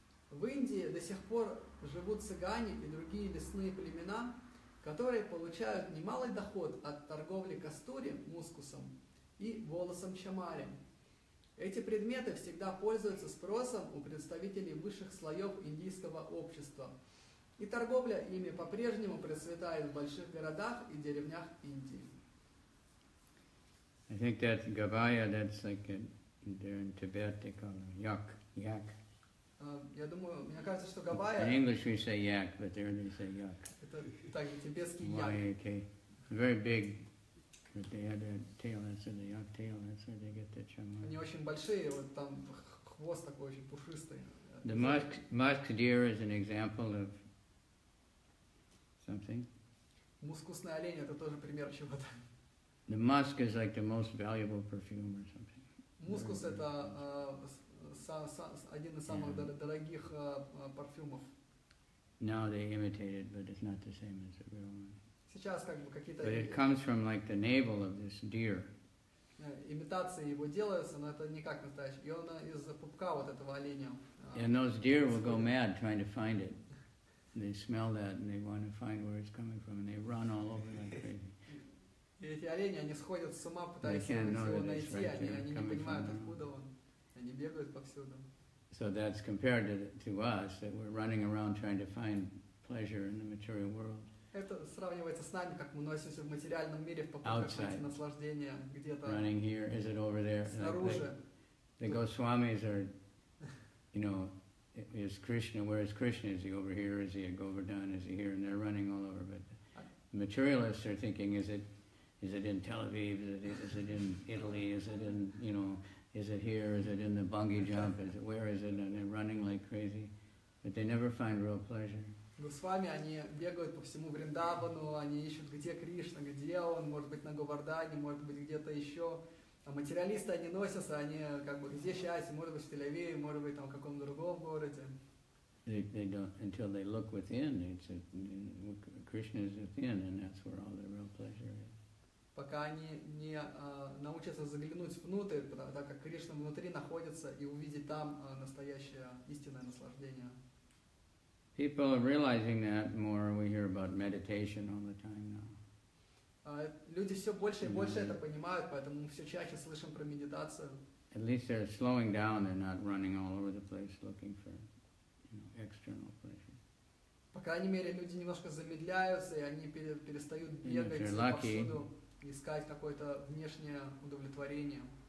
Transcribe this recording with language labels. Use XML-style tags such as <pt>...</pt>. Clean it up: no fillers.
<ru>В Индии до сих пор живут цыгане и другие лесные племена, которые получают немалый доход от торговли кастури, мускусом, и волосом чамари. Эти предметы всегда пользуются спросом у представителей высших слоев индийского общества, и торговля ими по-прежнему процветает в больших городах и деревнях Индии.</ru> <en>I think that gavaya, that's like in Tibet they call it yak.</en> <ru>Я думаю, мне кажется, что гавайя.</ru> <en>In English we say yak, but there they say yak.</en> <ru>Это так, тибетский yak.</ru> <en>Y-A-K. Very big. But they had their tail, that's where the yak tail, that's where they get the chamar.</en> <ru>Они очень большие, вот там хвост такой очень пушистый.</ru> <en>The musk deer is an example of something.</en> <ru>Мускусный олень это тоже пример чего-то.</ru> <en>The musk is like the most valuable perfume or something.</en> <ru>Мускус это один из самых дорогих парфюмов.</ru> <en>Now they imitate it, but it's not the same as the real one.</en> <ru>Сейчас как бы какие-то.</ru> <en>But it comes from like the navel of this deer.</en> <ru>Имитации его делаются, но это не как настоящий. И он из пупка вот этого оленя.</ru> <en>And those deer will go mad trying to find it. They smell that and they want to find where it's coming from and they run all over like crazy.</en> <ru>И эти олени, они сходят с ума, пытаясь его найти, они не понимают, откуда он. Они бегают повсюду.</ru> <en>So that's compared to us, that we're running around trying to find pleasure in the material world.</en> <ru>Это сравнивается с нами, как мы носимся в материальном мире в попытках найти наслаждение где-то.</ru> <en>Running here, is it over there?</en> <ru>Снаружи.</ru> <en>The Goswamis are, you know, is Krishna, where is Krishna? Is he over here? Is he at Govardhan? Is he here? And they're running all over, but the materialists are thinking, is it in Tel Aviv? Is it in Italy? Is it in, you know, is it here? Is it in the bungee jump? Is it, where is it? And they're running like crazy. But they never find real pleasure.</en> <ru>Госвами, они бегают по всему Вриндавану, они ищут, где Кришна, где он, может быть, на Говардане, может быть, где-то еще. А материалисты, они носятся, они как бы, где счастье, может быть, в Тель-Авиве, может быть, там, в каком-то другом городе.</ru> <en>They don't, until they look within, it's a, Krishna is within, and that's where all the real pleasure is.</en> <ru>Пока они не научатся заглянуть внутрь, так как Кришна внутри находится, и увидеть там настоящее истинное наслаждение.</ru> <en>People are realizing that more. We hear about meditation all the time now.</en> <ru>Люди все больше и больше это понимают, поэтому мы все чаще слышим про медитацию.</ru> <en>At least they're slowing down. They're not running all over the place looking for, you know, external pleasure.</en> <ru>По крайней мере, люди немножко замедляются, и они перестают бегать повсюду. Искать какое-то внешнее удовлетворение.</ru>